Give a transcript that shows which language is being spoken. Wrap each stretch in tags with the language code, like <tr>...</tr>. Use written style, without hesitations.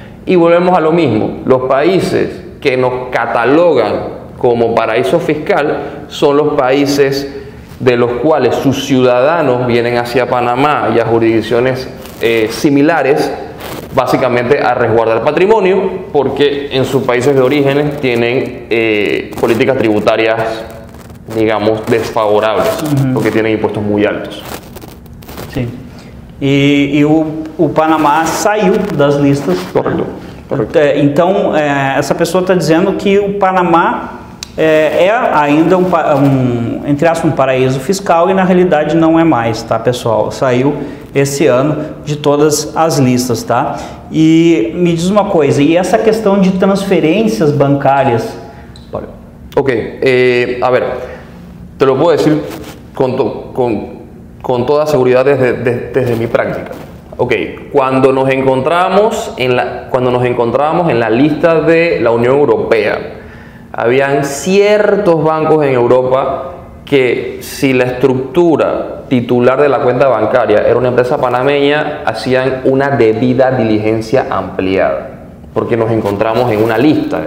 <es>Y volvemos a lo mismo, los países que nos catalogan como paraíso fiscal son los países de los cuales sus ciudadanos vienen hacia Panamá y a jurisdicciones similares, básicamente a resguardar patrimonio, porque en sus países de origen tienen políticas tributarias, digamos, desfavorables, uh-huh. porque tienen impuestos muy altos. Sí. Y el Panamá salió de las listas. Correcto.</es> <pt>Então, essa pessoa está dizendo que o Panamá é ainda entre aspas, um paraíso fiscal, e na realidade não é mais, tá, pessoal? Saiu esse ano de todas as listas, tá? E me diz uma coisa, e essa questão de transferências bancárias?</pt> <es>Ok, a ver, te lo puedo decir con toda seguridad desde mi práctica. Ok, cuando nos encontrábamos en la lista de la Unión Europea, habían ciertos bancos en Europa que, si la estructura titular de la cuenta bancaria era una empresa panameña, hacían una debida diligencia ampliada, porque nos encontramos en una lista.</es>